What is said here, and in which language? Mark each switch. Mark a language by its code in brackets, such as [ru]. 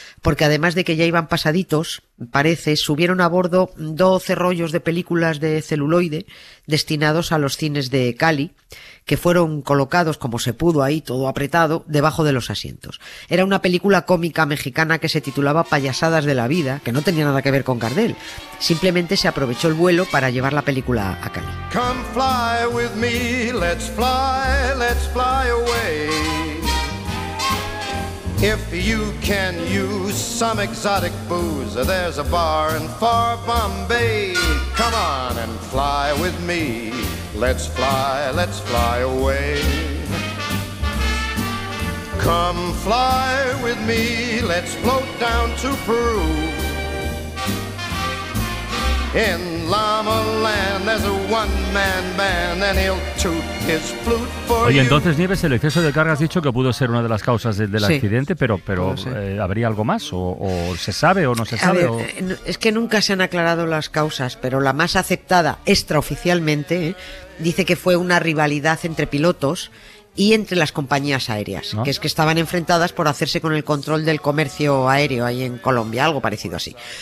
[es] Porque además de que ya iban pasaditos, parece, subieron a bordo 12 rollos de películas de celuloide destinados a los cines de Cali, que fueron colocados como se pudo ahí, todo apretado, debajo de los asientos. Era una película cómica mexicana que se titulaba Payasadas de la Vida, que no tenía nada que ver con Gardel. Simplemente se aprovechó el vuelo para llevar la película a Cali. [en] Come fly with me, let's fly away. If you can use some exotic booze, there's a bar in far Bombay. Come on and fly with me. Let's fly away. Come fly with me, let's float down to Peru. In Llama Land there's a one man band and he'll toot his flute for you. [es] Oye, entonces Nieves, el exceso de carga has dicho que pudo ser una de las causas del accidente, pero ¿habría algo más? ¿O se sabe o no se sabe? A ver, es que nunca se han aclarado las causas, pero la más aceptada extraoficialmente dice que fue una rivalidad entre pilotos y entre las compañías aéreas, ¿no? Que es que estaban enfrentadas por hacerse con el control del comercio aéreo ahí en Colombia, algo parecido así.